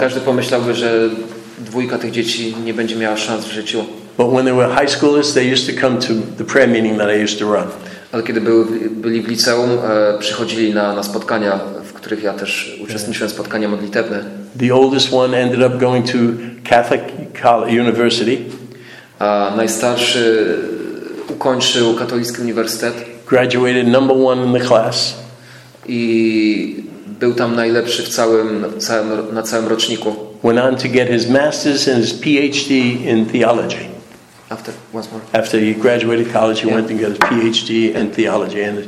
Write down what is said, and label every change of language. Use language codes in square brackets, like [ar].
[pl] Każdy pomyślałby, że dwójka tych dzieci nie będzie miała szans w życiu. [en] But when they were high schoolers, they used to come to the prayer meeting that I used to run. [pl] Ale kiedy byli w liceum, przychodzili na spotkania, w których ja też uczestniczyłem, spotkania modlitewne. [en] The oldest one ended up going to Catholic University. [pl] A najstarszy ukończył katolicki uniwersytet. [en] Graduated number one in the class. [pl] I był tam najlepszy na całym roczniku. [en] Went on to get his master's and his PhD in theology. After he graduated college, he went and got his PhD in theology.